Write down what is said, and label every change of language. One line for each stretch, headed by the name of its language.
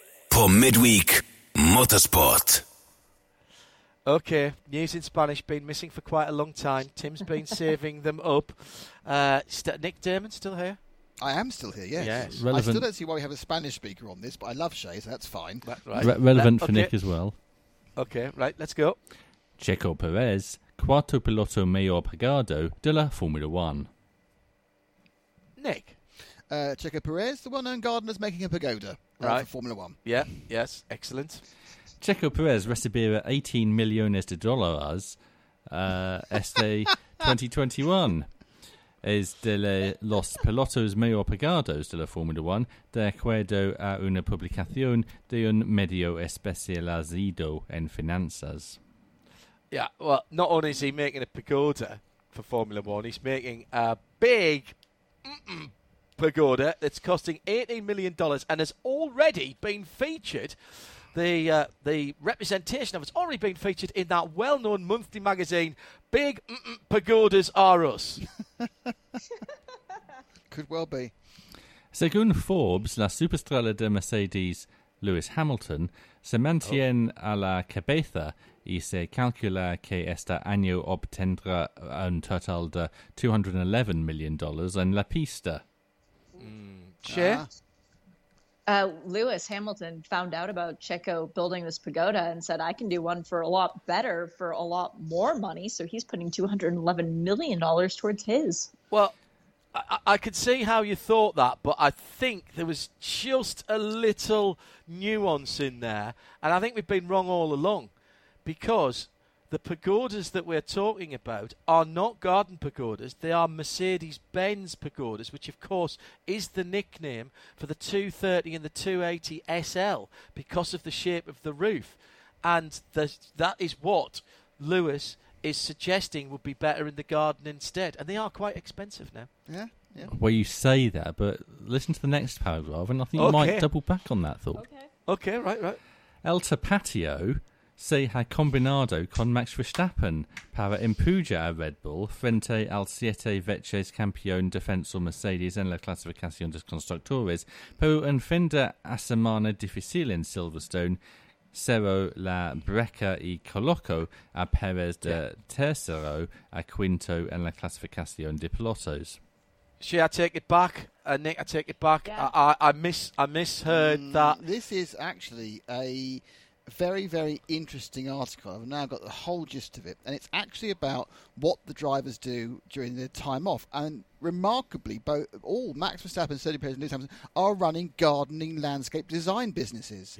Spanish: Por Midweek Motorsport.
English: Okay, news in Spanish, been missing for quite a long time. Tim's been saving them up. Nick Damon, still here? I am still here, yes. I still don't see why we have a Spanish speaker on this, but I love Shay, so that's fine. Relevant for Nick as well. Okay, right, let's go.
Spanish: Checo Perez, cuarto piloto mejor pagado de la Formula One.
English: Nick? Checo Perez, the well-known gardener's making a pagoda right. For Formula One. Yeah, yes, excellent.
Spanish: Checo Perez recibirá 18 millones de dólares este 2021. Es de los pilotos mejor pagados de la Fórmula 1 de acuerdo a una publicación de un medio especializado en finanzas.
English: Yeah, well, not only is he making a pagoda for Formula 1, he's making a big pagoda that's costing $18 million and has already been featured. The representation of it's already been featured in that well-known monthly magazine, Big Pagodas Are Us. Could well be.
Spanish: Según Forbes, la superestrella de Mercedes, Lewis Hamilton, se mantiene a la cabeza y se calcula que este año obtendrá un total de $211 million en la pista.
English: Cheers. Lewis Hamilton found out about Checo building this pagoda and said, I can do one for a lot better for a lot more money. So he's putting $211 million towards his. Well, I could see how you thought that, but I think there was just a little nuance in there. And I think we've been wrong all along because the pagodas that we're talking about are not garden pagodas. They are Mercedes-Benz pagodas, which, of course, is the nickname for the 230 and the 280 SL because of the shape of the roof. And that is what Lewis is suggesting would be better in the garden instead. And they are quite expensive now. Yeah. Well, you say that, but listen to the next paragraph, and I think you might double back on that thought. Okay, right.
Spanish: El Tapatio se ha combinado con Max Verstappen para empujar a Red Bull frente al siete veces campeón defensor Mercedes en la clasificación de constructores, pero en fin de semana difícil en Silverstone, cerró la brecha y colocó a Pérez de tercero a quinto en la clasificación de pilotos.
English: Shea, I take it back. Nick, I take it back. Yeah. I misheard that. This is actually a very, very interesting article. I've now got the whole gist of it. And it's actually about what the drivers do during their time off. And remarkably, all Max Verstappen, Sergio Perez and Lewis Hamilton are running gardening landscape design businesses.